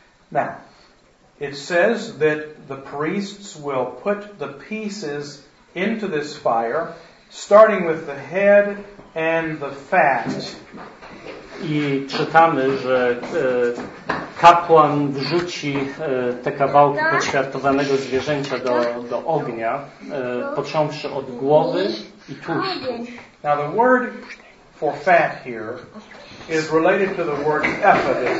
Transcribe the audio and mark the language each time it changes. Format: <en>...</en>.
<en>Now, it says that the priests will put the pieces into this fire, starting with the head and the fat.</en> <pl>I czytamy, że kapłan wrzuci te kawałki poświartowanego zwierzęcia do ognia, począwszy od głowy i tłuszczu.</pl> <en>Now the word for fat here is related to the word ephod.</en>